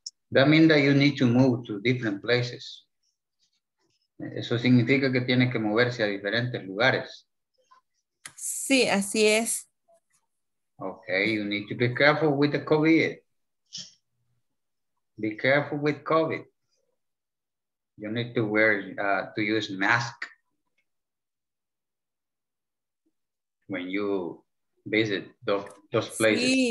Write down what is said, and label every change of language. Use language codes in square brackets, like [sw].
[en] That means that you need to move to different places. [es] Eso significa que tiene que moverse a diferentes lugares. Sí, así es. [en] Okay, you need to be careful with the COVID. Be careful with COVID. You need to use mask when you visit those places.